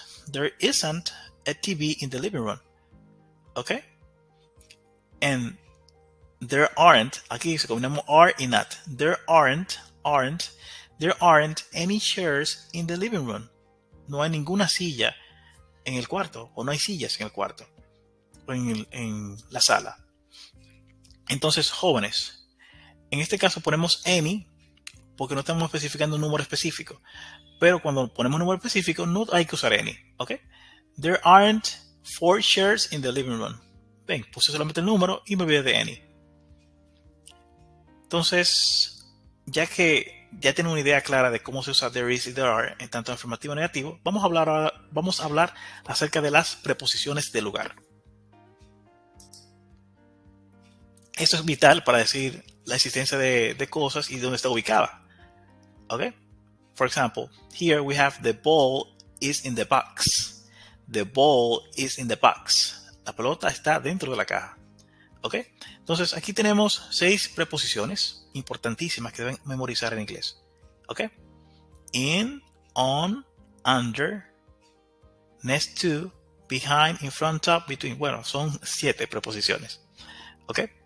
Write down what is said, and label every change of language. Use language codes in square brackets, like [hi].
[en] There isn't a TV in the living room. ¿Ok? And there aren't, [es] aquí se combinamos are y not. [en] There aren't any chairs in the living room. [es] No hay ninguna silla en el cuarto, o no hay sillas en el cuarto, o en la sala. Entonces, jóvenes, en este caso ponemos any, porque no estamos especificando un número específico. Pero cuando ponemos un número específico, no hay que usar any, ¿ok? [en] There aren't four chairs in the living room. [es] Ven, puse solamente el número y me olvidé de any. Entonces, ya que ya tienen una idea clara de cómo se usa there is y there are en tanto afirmativo y negativo, vamos a hablar acerca de las preposiciones de lugar. Esto es vital para decir la existencia de cosas y dónde está ubicada. ¿Okay? [en] For example, here we have the ball is in the box. The ball is in the box. [es] La pelota está dentro de la caja. ¿Ok? Entonces, aquí tenemos seis preposiciones importantísimas que deben memorizar en inglés. [en] ¿Ok? In, on, under, next to, behind, in front of, between. [es] Bueno, son siete preposiciones. ¿Ok?